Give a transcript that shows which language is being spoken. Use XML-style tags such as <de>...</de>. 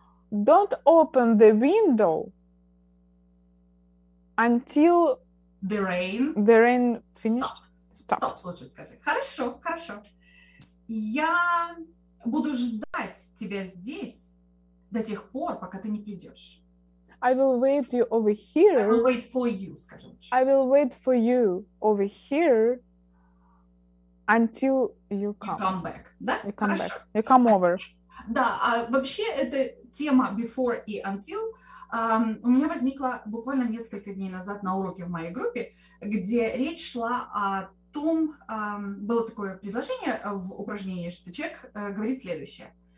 <en>Don't open the window until the rain finishes.</en> <ru>Stop, лучше скажи. Хорошо, хорошо. Я буду ждать тебя здесь до тех пор, пока ты не придешь.</ru> <en>I will wait you over here. I will wait for you, скажем. I will wait for you over here until you come. You come back, да? You come back. You come over.</en> <ru>Да, а вообще эта тема before и until у меня возникла буквально несколько дней назад на уроке в моей группе, где речь шла о том, было такое предложение в упражнении, что человек говорит следующее.</ru>